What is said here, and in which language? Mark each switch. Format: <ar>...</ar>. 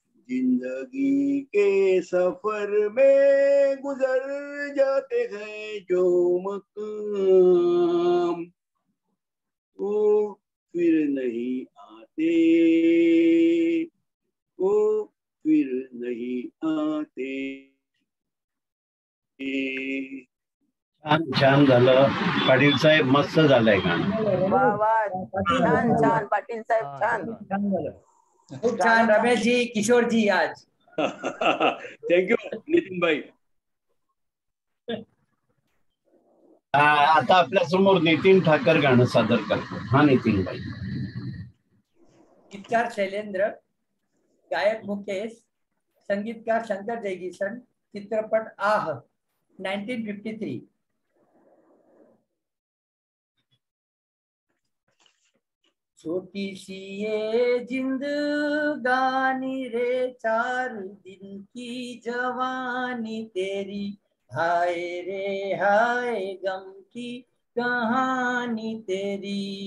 <hi>जिंदगी के सफर में गुजर जाते हैं जो मकाम, वो फिर नहीं आते, वो फिर नहीं आते।</hi> <mr>छान छान झालं पाटील साहेब, मस्त झालंय गाणं, छान पाटील साहेब, छान छान झालं, खूप छान रमेशजी किशोरजी आज। थँक्यू नितीन भाई। आता आपल्या समोर नितीन ठाकर गाणं सादर करतो, हा नितीन भाई। गीतकार शैलेंद्र, गायक मुकेश, संगीतकार शंकर जयकिशन, चित्रपट आह 1953।</mr> <hi>छोटी सी ये जिंदगानी रे, चार दिन की जवानी तेरी, हाय रे हाय गम की कहानी तेरी।</hi>